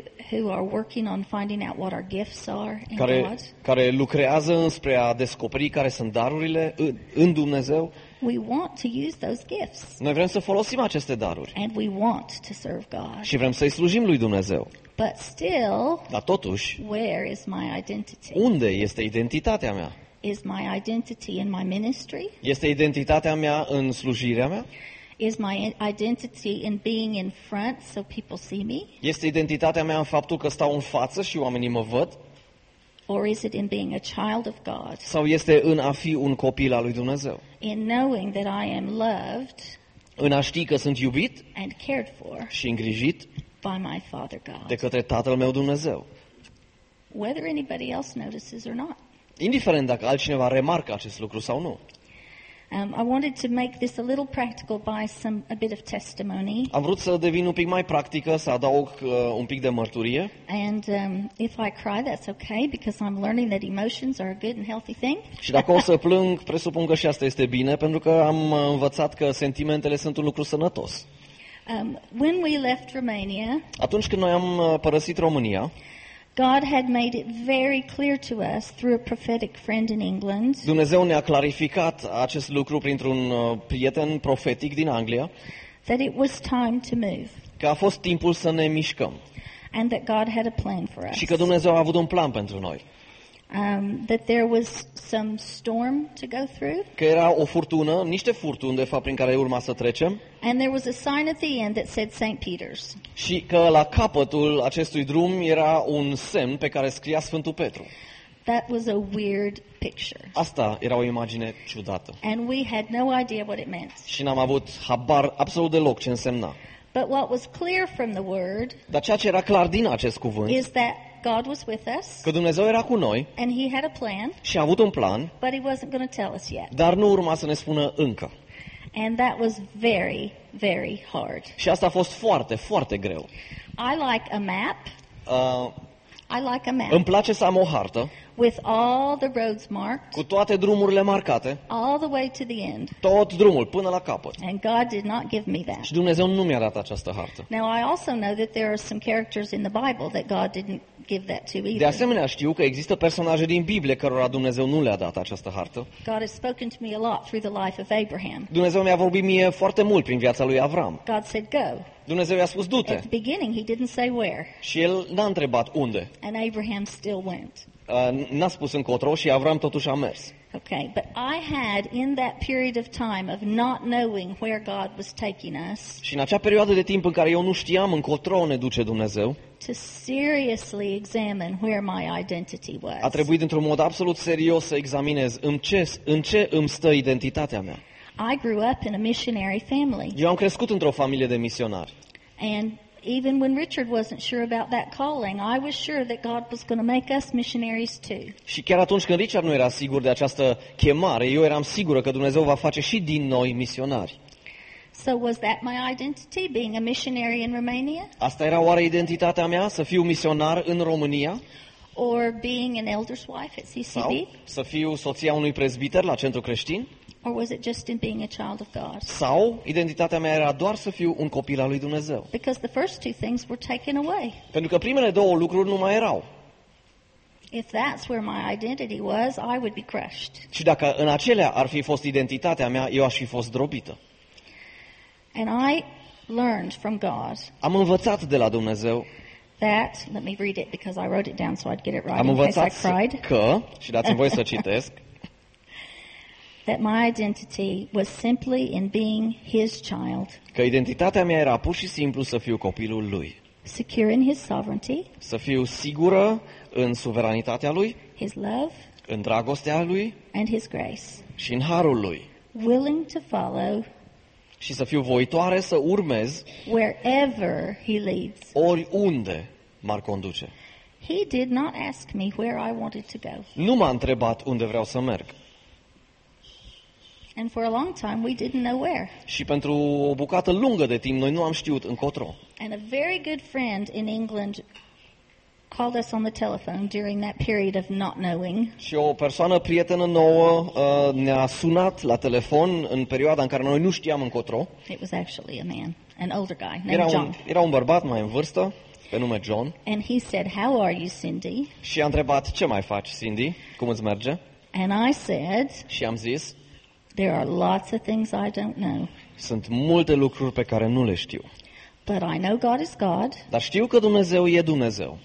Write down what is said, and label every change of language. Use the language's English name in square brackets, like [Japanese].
[English] Who are working on finding out what our gifts are in care, God. [Romanian] Care lucrează înspre a descoperi care sunt darurile în Dumnezeu. [English] We want to use those gifts. [Romanian] Noi vrem să folosim aceste daruri. [English] And we want to serve God. [Romanian] Și vrem să-i slujim lui Dumnezeu. [English] But still, [Romanian] dar totuși, [English] where is my identity? [Romanian] Unde este identitatea mea? [English] Is my identity in my ministry? [Romanian] Este identitatea mea în slujirea mea? [English] Is my identity in being in front so people see me? [Romanian] Este identitatea mea în faptul că stau în față și oamenii mă văd? [English] Or is it in being a child of God? [Romanian] Sau este în a fi un copil al lui Dumnezeu? [English] In knowing that I am loved. [Romanian] În a ști că sunt iubit. [English] And cared for. [Romanian] Și îngrijit. [English] By my Father God. [Romanian] De către Tatăl meu Dumnezeu. [English] Whether anybody else notices or not. [Romanian] Indiferent dacă altcineva remarcă acest lucru sau nu. [English] I wanted to make this a little practical by a bit of testimony. [Romanian] Am vrut să devin un pic mai practică, să adaug un pic de mărturie. [English] And if I cry, that's okay, because I'm learning that emotions are a good and healthy thing. [Romanian] Și dacă o să plâng, presupun că și asta este bine, pentru că am învățat că sentimentele sunt un lucru sănătos. [English] When we left Romania, [Romanian] atunci când noi am părăsit România, [English] God had made it very clear to us through a prophetic friend in England. [Romanian] Dumnezeu ne-a clarificat acest lucru printr-un prieten profetic din Anglia. [English] That it was time to move. [Romanian] Că a fost timpul să ne mișcăm. [English] And that God had a plan for us. [Romanian] Și că Dumnezeu a avut un plan pentru noi. [English] That there was some storm to go through. [Romanian] Că era o furtună, niște furtuni de fapt prin care urma să trecem. [English] And there was a sign at the end that said St. Peter's. [Romanian] Și că la capătul acestui drum era un semn pe care scria Sfântul Petru. [English] That was a weird picture. [Romanian] Asta era o imagine ciudată. [English] And we had no idea what it meant. [Romanian] Și n-am avut habar absolut deloc ce însemna. [English] But what was clear from the word? [Romanian] Dar ceea ce era clar din acest cuvânt? [English] Is that God was with us. [Romanian] Că Dumnezeu era cu noi. [English] And he had a plan. [Romanian] Și a avut un plan. [English] But he wasn't going to tell us yet. [Romanian] Dar nu urma să ne spună încă. [English] And that was very, very hard. [Romanian] Și asta a fost foarte, foarte greu. [English] I like a map. I like a map. [Romanian] Îmi place să am o hartă. [English] With all the roads marked. [Romanian] Cu toate drumurile marcate. [English] All the way to the end. [Romanian] Tot drumul până la capăt. [English] And God did not give me that. [Romanian] Și Dumnezeu nu mi-a dat această hartă. [English] Now I also know that there are some characters in the Bible that God didn't give that to either. [Romanian] De asemenea, știu că există personaje din Biblie cărora Dumnezeu nu le-a dat această hartă. [English] God has spoken to me a lot through the life of Abraham. [Romanian] Dumnezeu mi-a vorbit mie foarte mult prin viața lui Avram. [English] God said go. [Romanian] Dumnezeu i-a spus du-te. [English] At the beginning he didn't say where. [Romanian] Și el n-a întrebat unde. [English] And Abraham still went. [Romanian] N-a spus încotro și Avram totuși a mers. [English] Okay, but I had in that period of time of not knowing where God was taking us. [Romanian] Și în acea perioadă de timp în care eu nu știam încotro ne duce Dumnezeu. [English] To seriously examine where my identity was. [Romanian] A trebuit într-un mod absolut serios să examinez în ce îmi stă identitatea mea. [English] I grew up in a missionary family. [Romanian] Eu am crescut într-o familie de misionari. [English] And even when Richard wasn't sure about that calling, I was sure that God was going to make us missionaries too. [Romanian] Și chiar atunci când Richard nu era sigur de această chemare, eu eram sigură că Dumnezeu va face și din noi misionari. [English] So was that my identity, being a missionary in Romania? [Romanian] Asta era oare identitatea mea, să fiu misionar în România? [English] Or being an elder's wife at CCB? [Romanian] Sau să fiu soția unui presbiter la centru creștin? [English] Or was it just in being a child of God? [Romanian] Sau identitatea mea era doar să fiu un copil al lui Dumnezeu? [English] Because the first two things were taken away. [Romanian] Pentru că primele două lucruri nu mai erau. [English] If that's where my identity was, I would be crushed. [Romanian] Și dacă în acelea ar fi fost identitatea mea, eu aș fi fost zdrobită. [English] And I learned from God. [Romanian] Am învățat de la Dumnezeu. [English] That, let me read it because I wrote it down so I'd get it right. [Romanian] Am învățat [English] in case I cried. [Romanian] Că, și dați-mi voie să citesc. [English] That my identity was simply in being his child. [Romanian] Că identitatea mea era pur și simplu să fiu copilul lui. [English] Secure in his sovereignty. [Romanian] Să fiu sigură în suveranitatea lui. [English] His love. [Romanian] În dragostea lui. [English] And his grace. [Romanian] Și în harul lui. [English] Willing to follow. [Romanian] Și să fiu voitoare să urmez. [English] Wherever he leads. [Romanian] Oriunde m-ar conduce. [English] He did not ask me where I wanted to go. [Romanian] Nu m-a întrebat unde vreau să merg. [English] And for a long time we didn't know where. [Romanian] Și pentru o bucată lungă de timp noi nu am știut încotro. [English] And a very good friend in England called us on the telephone during that period of not knowing. [Romanian] Și o persoană prietenă nouă ne-a sunat la telefon în perioada în care noi nu știam încotro. [English] It was actually a man, an older guy named [Romanian] era John. Era un bărbat mai în vârstă, pe nume John. [English] And he said, "How are you, Cindy?" [Romanian] Și a întrebat, "Ce mai faci, Cindy? Cum îți merge?" [English] And I said, [Romanian] și am zis, [English] "There are lots of things I don't know." [Romanian] Sunt multe lucruri pe care nu le știu. [English] But I know God is God. [Romanian] Dar știu că Dumnezeu e Dumnezeu.